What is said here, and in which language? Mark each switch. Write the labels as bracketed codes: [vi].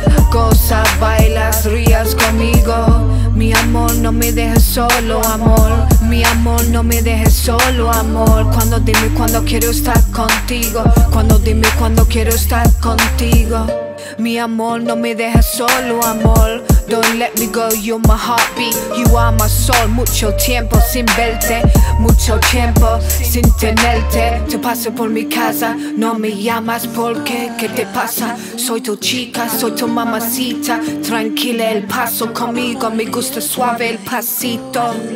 [es] Goza, bailas, rías conmigo. Mi amor, no me dejes solo, amor. Mi amor, no me dejes solo, amor. Cuando dime cuándo quiero estar contigo. Cuando dime cuándo quiero estar contigo. Mi amor, no me dejes solo, amor. [en] Don't let me go, you're my heartbeat. You are my soul. [es] Mucho tiempo sin verte. Mucho tiempo sin tenerte. Te paso por mi casa. No me llamas, ¿por qué? ¿Qué te pasa? Soy tu chica, soy tu mamacita. Tranquila el paso conmigo. Me gusta suave el pasito.